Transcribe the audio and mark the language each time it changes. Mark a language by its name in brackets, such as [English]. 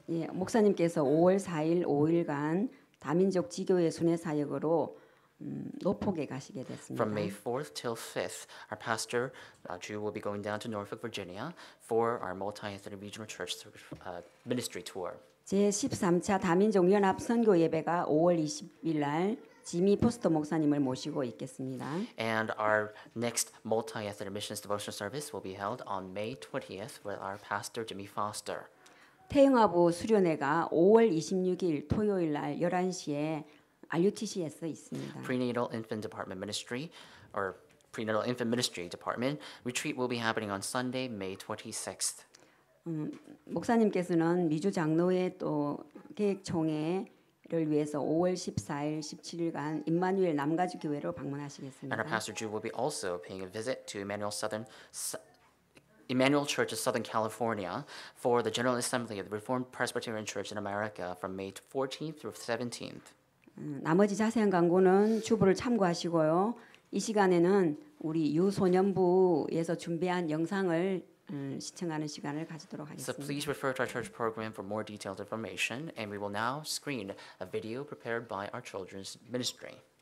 [Korean] 예, 목사님께서 5월 4일 5일간 다민족 지교회 순회 사역으로 노폭에 가시게 됐습니다. [English] From May 4th till 5th, our pastor Ju will be going down to Norfolk, Virginia for our multi-ethnic regional church ministry tour. [Korean] 제 13차 다민족 연합 선교 예배가 5월 20일 날 지미 포스터 목사님을 모시고 있겠습니다. [English] And our next multi-ethnic missions devotional service will be held on May 20th with our pastor Jimmy Foster. [Korean] 태영아부 수련회가 5월 26일 토요일 날 11시에 RUTC에서 있습니다. [English] Prenatal Infant Department Ministry or Prenatal Infant Ministry Department retreat will be happening on Sunday, May 26th. [Korean] 목사님께서는 미주 장로회 또 계획총회를 위해서 5월 14일, 17일간 임마누엘 남가주 교회로 방문하시겠습니다. [English] And our pastor Drew will be also paying a visit to Emmanuel Southern Emmanuel Church of Southern California for the General Assembly of the Reformed Presbyterian Church in America from May 14th through 17th. [Korean] 나머지 자세한 광고는 주부를 참고하시고요. 이 시간에는 우리 유소년부에서 준비한 영상을 시청하는 시간을 가지도록 하겠습니다. [English] So please refer to our church program for more detailed information, and we will now screen a video prepared by our children's ministry.